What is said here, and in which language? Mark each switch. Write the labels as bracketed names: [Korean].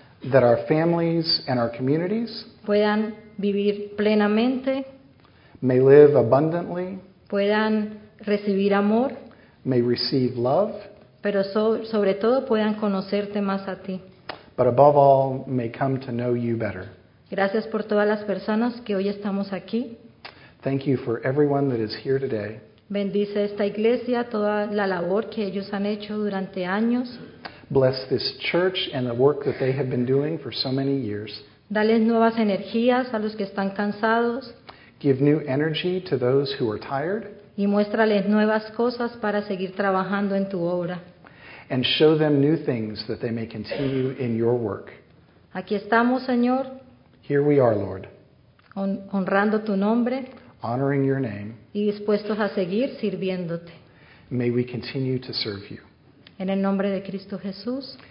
[English] that our families and our communities [Spanish] puedan vivir plenamente, [English] may live abundantly, [Spanish] puedan recibir amor, [English] may receive love, [Spanish] pero sobre todo puedan conocerte más a ti. [English] But above all, may come to know you better. [Spanish] Gracias por todas las personas que hoy estamos aquí. [English] Thank you for everyone that is here today. [Spanish] Bendice esta iglesia, toda la labor que ellos han hecho durante años. [English] Bless this church and the work that they have been doing for so many years. [Spanish] Dales nuevas energías a los que están cansados. [English] Give new energy to those who are tired. [Spanish] Y muéstrales nuevas cosas para seguir trabajando en tu obra. [English] And show them new things that they may continue in your work. [Spanish] Aquí estamos, Señor. [English] Here we are, Lord. [Spanish] Honrando tu nombre. [English] Honoring your name. [Spanish] Y dispuestos a seguir sirviéndote. [English] May we continue to serve you. [Spanish] En el nombre de Cristo Jesús.